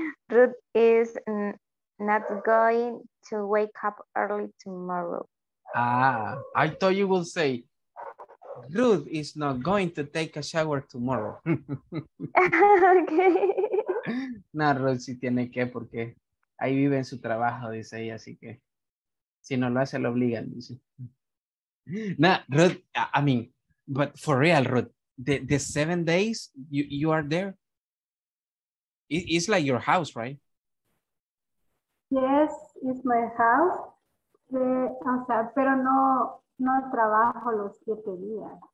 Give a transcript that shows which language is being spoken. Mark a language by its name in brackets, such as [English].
[English] Ruth is not going to wake up early tomorrow. Ah, I thought you would say, Ruth is not going to take a shower tomorrow. Okay. [Spanish] No, Ruth sí tiene que porque ahí vive en su trabajo, dice ella, así que si no lo hace, lo obligan, dice. [English] No, Ruth, I mean, but for real, Ruth, the 7 days you are there, it's like your house, right? Yes, it's my house. [Spanish] O sea, pero no trabajo los 7 días.